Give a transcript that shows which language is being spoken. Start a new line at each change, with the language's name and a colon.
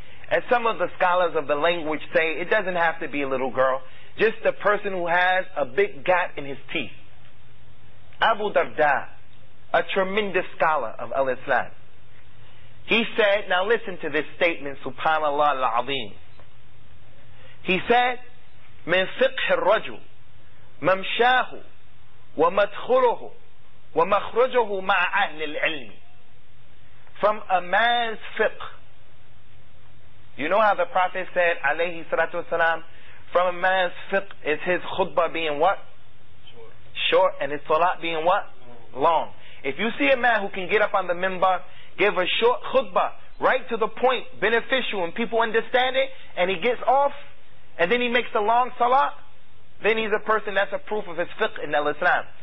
English: And some of the scholars of the language say it doesn't have to be a little girl, just the person who has a big gap in his teeth. Abu Darda, a tremendous scholar of Al-Islam, he said, now listen to this statement, subhanallah al-azim. He said,
Arabic: من فقه الرجل ممشاه ومدخله ومخرجه مع أهل العلم.
English: From a man's fiqh. You know how the Prophet said, alayhi salatu wasalam, from a man's fiqh is his khutbah being what? Short. And his salat being what? Long. If you see a man who can get up on the minbar, give a short khutbah, right to the point, beneficial, and people understand it, and he gets off, and then he makes the long salat, then he's a person that's a proof of his fiqh in al-Islam.